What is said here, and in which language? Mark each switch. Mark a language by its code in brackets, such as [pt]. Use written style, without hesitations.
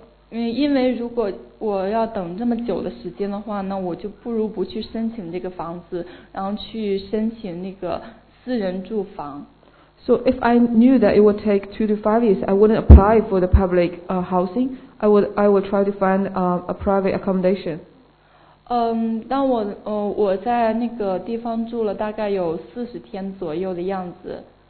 [zh] 因为如果我要等这么久的时间的话，那我就不如不去申请这个房子，然后去申请那个私人住房。 [en] So if I knew that it would take 2 to 5 years, I wouldn't apply for the public housing. I would try to find a private accommodation. [zh] 当我在那个地方住了大概有40天左右的样子。